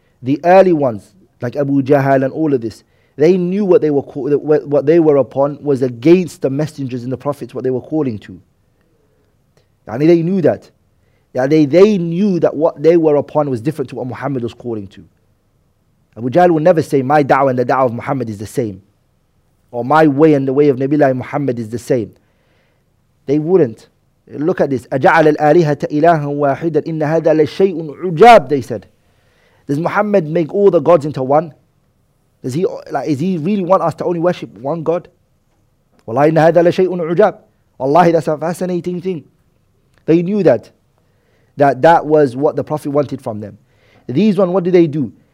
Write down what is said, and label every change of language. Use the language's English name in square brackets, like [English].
[English] The early ones, like Abu Jahal and all of this, they knew what they were upon was against the messengers and the prophets, what they were calling to. And they knew that. They knew that what they were upon was different to what Muhammad was calling to. Abu Jahl will never say, my da'wah and the da'wah of Muhammad is the same. Or my way and the way of Nabi Muhammad is the same. They wouldn't. Look at this. [Arabic] أَجَعَلَ الْآلِهَةَ إِلَهًا وَاحِدًا إِنَّ هَذَا لَشَيْءٌ عُجَابٌ, [English] they said. Does Muhammad make all the gods into one? Does he really want us to only worship one God? [Arabic] Wallahi inna hadha la shay'un ujab. [English] Wallahi, that's a fascinating thing. They knew that. That was what the Prophet wanted from them. These one, what do?